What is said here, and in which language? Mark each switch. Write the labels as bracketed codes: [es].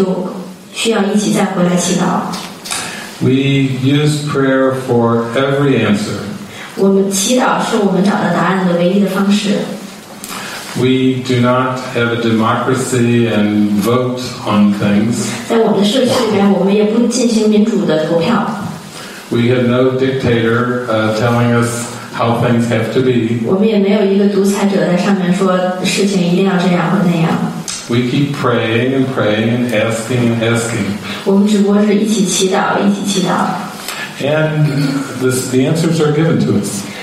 [zh] 但是每当这个情况出现的时候，我们就需要一起再回来祈祷。 [en] We use prayer for every answer. [zh] 我们祈祷是我们找到答案的唯一的方式。 [en] We do not have a democracy and vote on things. [zh] 在我们的社区里面，我们也不进行民主的投票。 [en] We have no dictator telling us how things have to be. We keep praying and praying and asking and asking. And the answers are given to us.